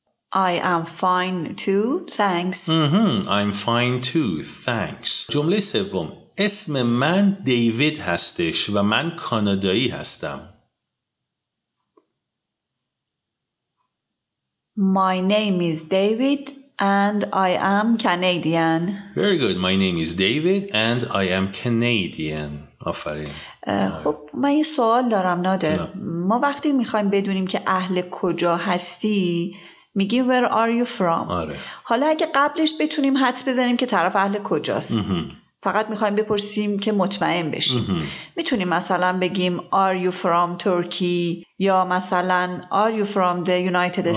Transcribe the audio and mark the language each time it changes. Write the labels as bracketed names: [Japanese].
[English] I am fine too, thanks. I'm fine too, thanks. [Persian] جمله سوم، اسم من دیوید هستش و من کانادایی هستم. [English] My name is David and I am Canadian. Very good. My name is David and I am Canadian. [Persian] آفرین. خب من یه سوال دارم نادر. ما وقتی میخوایم بدونیم که اهل کجا هستی میگیم where are you from. آره. حالا اگه قبلش بتونیم حدس بزنیم که طرف اهل کجاست، فقط میخوایم بپرسیم که مطمئن بشیم، میتونیم مثلا بگیم are you from Turkey یا مثلا are you from the United States.